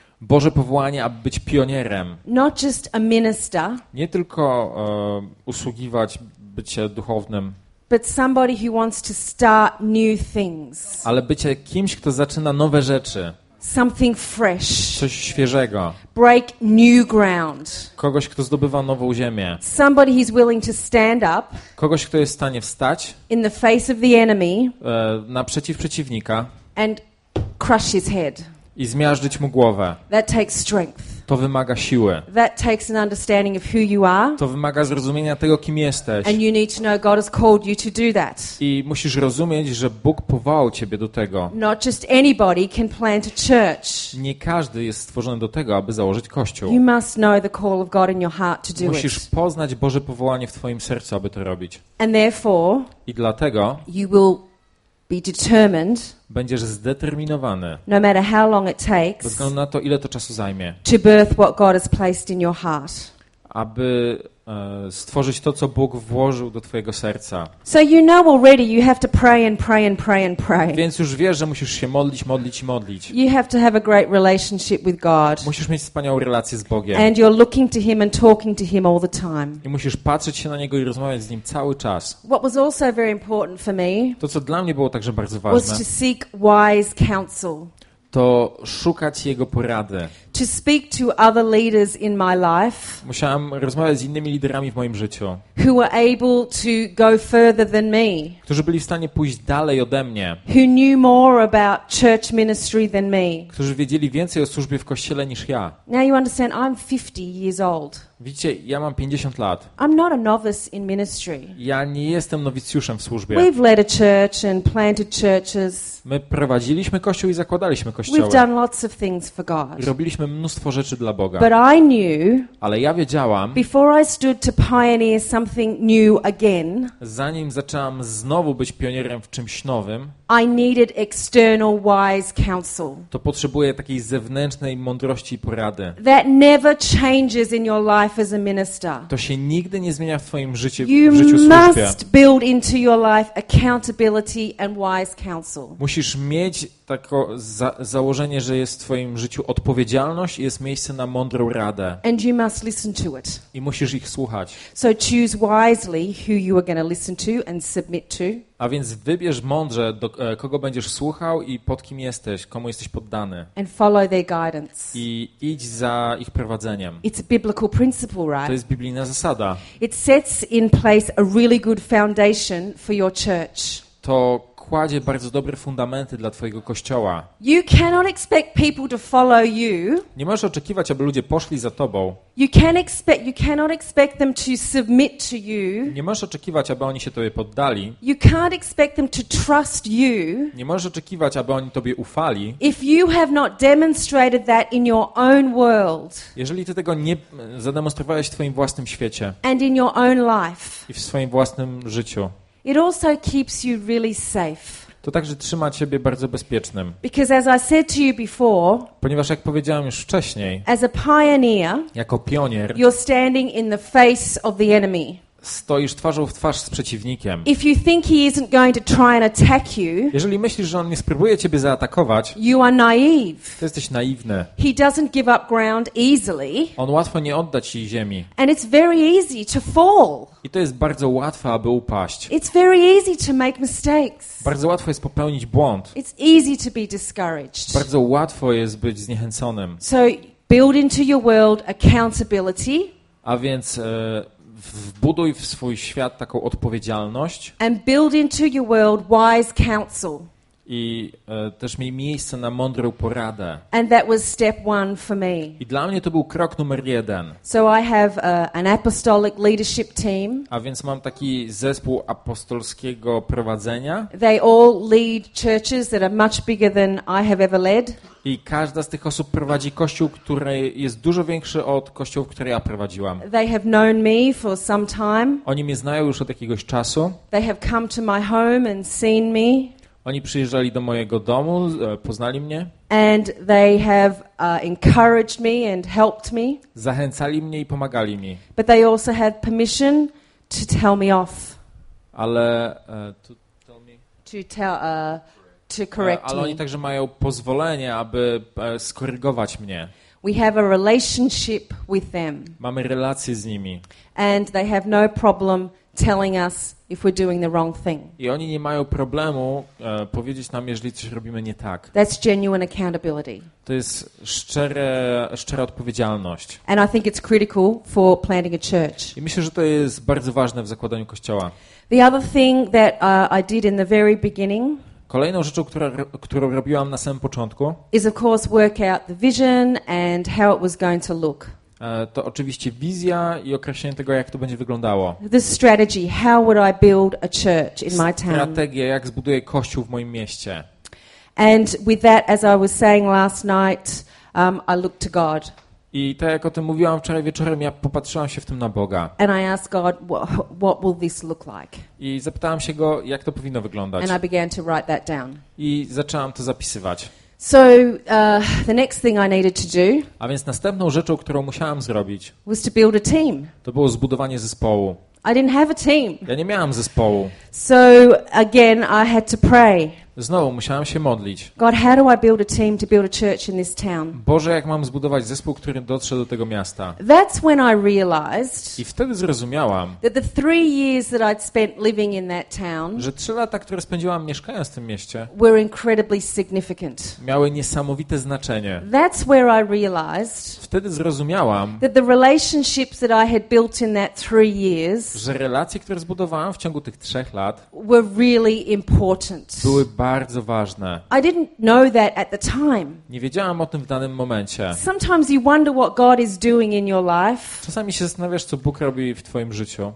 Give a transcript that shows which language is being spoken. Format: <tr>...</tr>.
<pl>Boże powołanie, aby być pionierem.</pl> <en>Not just a minister.</en> <pl>Nie tylko usługiwać, bycie duchownym.</pl> <en>But somebody who wants to start new things.</en> <pl>Ale bycie kimś, kto zaczyna nowe rzeczy.</pl> <en>Something fresh.</en> <pl>Coś świeżego.</pl> <en>Break new ground.</en> <pl>Kogoś, kto zdobywa nową ziemię.</pl> <en>Somebody who's willing to stand up.</en> <pl>Kogoś, kto jest w stanie wstać.</pl> <en>In the face of the enemy.</en> <pl>Naprzeciw przeciwnika.</pl> <en>And crush his head.</en> <pl>I zmiażdżyć mu głowę.</pl> <en>That takes strength.</en> <pl>To wymaga siły.</pl> <en>That takes an understanding of who you are.</en> <pl>To wymaga zrozumienia tego, kim jesteś.</pl> <en>And you need to know God has called you to do that.</en> <pl>I musisz rozumieć, że Bóg powołał ciebie do tego.</pl> <en>Not just anybody can plant a church.</en> <pl>Nie każdy jest stworzony do tego, aby założyć kościół.</pl> <en>You must know the call of God in your heart to do it.</en> <pl>Musisz poznać Boże powołanie w twoim sercu, aby to robić.</pl> <en>And therefore.</en> <pl>I dlatego.</pl> <en>You will be determined.</en> <pl>Będziesz zdeterminowany.</pl> <en>No matter how long it takes.</en> <pl>Bez względu na to, ile to czasu zajmie.</pl> <en>To birth what God has placed in your heart.</en> <pl>Aby stworzyć to, co Bóg włożył do twojego serca.</pl> <en>So you know already you have to pray and pray and pray and pray.</en> <pl>Więc już wiesz, że musisz się modlić, modlić i modlić.</pl> <en>You have to have a great relationship with God.</en> <pl>Musisz mieć wspaniałą relację z Bogiem.</pl> <en>And you're looking to him and talking to him all the time.</en> <pl>I musisz patrzeć się na niego i rozmawiać z nim cały czas.</pl> <en>What was also very important for me?</en> <pl>To, co dla mnie było także bardzo ważne.</pl> <en>Was to seek wise counsel.</en> <pl>To szukać jego porady.</pl> <en>To speak to other leaders in my life.</en> <pl>Musiałam rozmawiać z innymi liderami w moim życiu.</pl> <en>Who were able to go further than me.</en> <pl>Którzy byli w stanie pójść dalej ode mnie.</pl> <en>Who knew more about church ministry than me.</en> <pl>Którzy wiedzieli więcej o służbie w kościele niż ja.</pl> <en>Now you understand, I'm 50 years old.</en> <pl>Widzicie, ja mam 50 lat.</pl> <en>I'm not a novice in ministry.</en> <pl>Ja nie jestem nowicjuszem w służbie.</pl> <en>We've led a church and planted churches.</en> <pl>My prowadziliśmy kościół i zakładaliśmy kościoły.</pl> <en>We've done lots of things for God.</en> <pl>Robiliśmy mnóstwo rzeczy dla Boga.</pl> <en>But I knew,</en> <pl>ale ja wiedziałam,</pl> <en>before I stood to pioneer something new again,</en> <pl>zanim zaczęłam znowu być pionierem w czymś nowym,</pl> <en>I needed external wise counsel.</en> <pl>To potrzebuję takiej zewnętrznej mądrości i porady.</pl> <en>That never changes in your life as a minister.</en> <pl>To się nigdy nie zmienia w twoim życiu,</pl> <en>you</en> <pl>w życiu służby.</pl> <en>You must build into your life accountability and wise counsel.</en> <pl>Musisz mieć takie założenie, że jest w twoim życiu odpowiedzialność i jest miejsce na mądrą radę.</pl> <en>And you must listen to it.</en> <pl>I musisz ich słuchać.</pl> <en>So choose wisely who you are going to listen to and submit to.</en> <pl>A więc wybierz mądrze, do kogo będziesz słuchał i pod kim jesteś, komu jesteś poddany.</pl> <en>And follow their guidance.</en> <pl>I idź za ich prowadzeniem.</pl> <en>It's a biblical principle, right?</en> <pl>To jest biblijna zasada.</pl> <en>It sets in place a really good foundation for your church.</en> <pl>To kładzie bardzo dobre fundamenty dla twojego kościoła.</pl> <en>You cannot expect people to follow you.</en> <pl>Nie możesz oczekiwać, aby ludzie poszli za tobą.</pl> <en>You cannot expect them to submit to you.</en> <pl>Nie możesz oczekiwać, aby oni się tobie poddali.</pl> <en>You can't expect them to trust you.</en> <pl>Nie możesz oczekiwać, aby oni tobie ufali.</pl> <en>If you have not demonstrated that in your own world.</en> <pl>Jeżeli ty tego nie zademonstrowałeś w twoim własnym świecie.</pl> <en>And in your own life.</en> <pl>I w swoim własnym życiu.</pl> <en>It also keeps you really safe.</en> <pl>To także trzyma ciebie bardzo bezpiecznym.</pl> <en>Because as I said to you before,</en> <pl>ponieważ jak powiedziałem już wcześniej,</pl> <en>as a pioneer,</en> <pl>jako pionier,</pl> <en>you're standing in the face of the enemy.</en> <pl>Stoisz twarzą w twarz z przeciwnikiem.</pl> <en>If you think he isn't going to try and attack you,</en> <pl>jeżeli myślisz, że on nie spróbuje ciebie zaatakować,</pl> <en>you are naive.</en> <pl>Ty jesteś naiwny.</pl> <en>He doesn't give up ground easily.</en> <pl>On łatwo nie odda ci ziemi.</pl> <en>And it's very easy to fall.</en> <pl>I to jest bardzo łatwe, aby upaść.</pl> <en>It's very easy to make mistakes.</en> <pl>Bardzo łatwo jest popełnić błąd.</pl> <en>It's easy to be discouraged.</en> <pl>Bardzo łatwo jest być zniechęconym.</pl> <en>So build into your world accountability.</en> <pl>A więc wbuduj w swój świat taką odpowiedzialność.</pl> <en>And build into your world wise counsel.</en> <pl>I też miej miejsce na mądrą poradę.</pl> <en>And that was step one for me.</en> <pl>I dla mnie to był krok numer jeden.</pl> <en>So I have an apostolic leadership team.</en> <pl>A więc mam taki zespół apostolskiego prowadzenia.</pl> <en>They all lead churches that are much bigger than I have ever led.</en> <pl>I każda z tych osób prowadzi kościół, który jest dużo większy od kościołów, które ja prowadziłam.</pl> <en>They have known me for some time.</en> <pl>Oni mnie znają już od jakiegoś czasu.</pl> <en>They have come to my home and seen me.</en> <pl>Oni przyjeżdżali do mojego domu, poznali mnie.</pl> <en>And they have encouraged me and helped me.</en> <pl>Zachęcali mnie i pomagali mi.</pl> <en>But they also had permission to tell me off.</en> <pl>Ale to</pl> <en>tell me to tell to correct</en> <pl>ale</pl> <en>me.</en> <pl>Oni także mają pozwolenie, aby skorygować mnie.</pl> <en>We have a relationship with them.</en> <pl>Mamy relację z nimi.</pl> <en>And they have no problem telling us if we're doing the wrong thing.</en> <pl>I oni nie mają problemu powiedzieć nam, jeżeli coś robimy nie tak.</pl> <en>That's genuine accountability.</en> <pl>To jest szczera odpowiedzialność.</pl> <en>And I think it's critical for planting a church.</en> <pl>I myślę, że to jest bardzo ważne w zakładaniu kościoła.</pl> <en>The other thing that I did in the very beginning.</en> <pl>Kolejną rzeczą, którą robiłam na samym początku,</pl> <en>is of course work out the vision and how it was going to look.</en> <pl>To oczywiście wizja i określenie tego, jak to będzie wyglądało.</pl> <en>The strategy, how would I build a church in my town?</en> <pl>Strategia, jak zbuduję kościół w moim mieście.</pl> <en>And with that, as I was saying last night, I looked to God.</en> <pl>I tak jak o tym mówiłam wczoraj wieczorem, ja popatrzyłam się w tym na Boga.</pl> <en>And I asked God, what will this look like?</en> <pl>I zapytałam się Go, jak to powinno wyglądać.</pl> <en>And I began to write that down.</en> <pl>I zaczęłam to zapisywać.</pl> <en>So the next thing I needed to do.</en> <pl>A więc następną rzeczą, którą musiałam zrobić,</pl> <en>was to build a team.</en> <pl>To było zbudowanie zespołu.</pl> <en>I didn't have a team.</en> <pl>Ja nie miałam zespołu.</pl> <en>So again I had to pray.</en> <pl>Znowu musiałam się modlić.</pl> <en>God, how do I build a team to build a church in this town?</en> <pl>Boże, jak mam zbudować zespół, który dotrze do tego miasta?</pl> <en>That's when I realized.</en> <pl>I wtedy zrozumiałam.</pl> <en>That the 3 years that I'd spent living in that town.</en> <pl>Że 3 lata, które spędziłam mieszkając w tym mieście.</pl> <en>Were incredibly significant.</en> <pl>Miały niesamowite znaczenie.</pl> <en>That's where I realized.</en> <pl>Wtedy zrozumiałam.</pl> <en>That the relationships that I had built in that 3 years.</en> <pl>Że relacje, które zbudowałam w ciągu tych 3 lat.</pl> <en>Were really important.</en> <pl>Były bardzo ważne.</pl> <en>I didn't know that at the time.</en> <pl>Nie wiedziałam o tym w danym momencie.</pl> <en>Sometimes you wonder what God is doing in your life.</en> <pl>Czasami się zastanawiasz, co Bóg robi w twoim życiu.</pl>